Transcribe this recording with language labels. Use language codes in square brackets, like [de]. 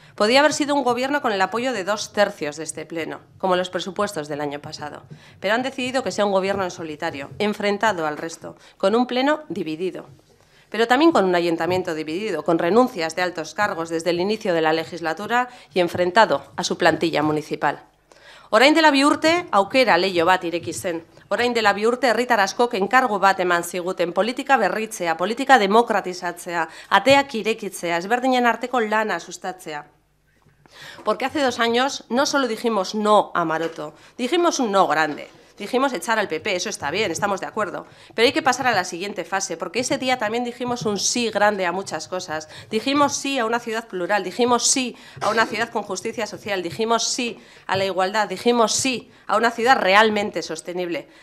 [es] Podía haber sido un gobierno con el apoyo de 2/3 de este pleno, como los presupuestos del año pasado, pero han decidido que sea un gobierno en solitario, enfrentado al resto, con un pleno dividido. Pero también con un ayuntamiento dividido, con renuncias de altos cargos desde el inicio de la legislatura y enfrentado a su plantilla municipal. [eu] Orain dela bi urte, aukera leio bat ireki zen. Orain dela bi urte, herritar askok enkargu bat eman ziguten, politika berritzea, politika demokratizatzea, ateak irekitzea, ezberdinen arteko lana sustatzea. [es] Porque hace 2 años no solo dijimos no a Maroto, dijimos un no grande. Dijimos echar al PP, eso está bien, estamos de acuerdo. Pero hay que pasar a la siguiente fase, porque ese día también dijimos un sí grande a muchas cosas. Dijimos sí a una ciudad plural, dijimos sí a una ciudad con justicia social, dijimos sí a la igualdad, dijimos sí a una ciudad realmente sostenible.